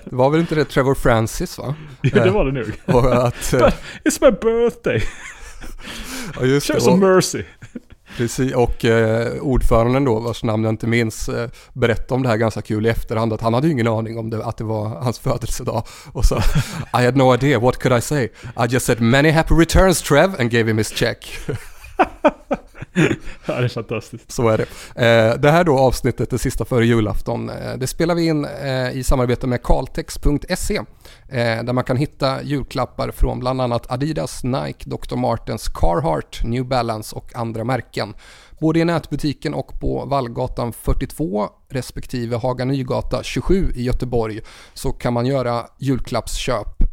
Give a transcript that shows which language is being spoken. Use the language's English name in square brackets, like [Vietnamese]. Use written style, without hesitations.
[Swedish] Det var väl inte det Trevor Francis, va? Ja, det var det nog. Och att, [English] it's my birthday. [Swedish] Ja, just show det. [English] Some mercy. [Swedish] Precis, och ordföranden då, vars namn jag inte minns, berättade om det här ganska kul i efterhand, att han hade ju ingen aning om det, att det var hans födelsedag. Och så, [English] I had no idea, what could I say? I just said many happy returns, Trev, and gave him his check. [Swedish] Ja, det är fantastiskt. Så är det. Det här då avsnittet, det sista före julafton, det spelar vi in i samarbete med Caltex.se, där man kan hitta julklappar från bland annat Adidas, Nike, Dr. Martens, Carhartt, New Balance och andra märken. Både i nätbutiken och på Vallgatan 42 respektive Haga Nygata 27 i Göteborg så kan man göra julklappsköp.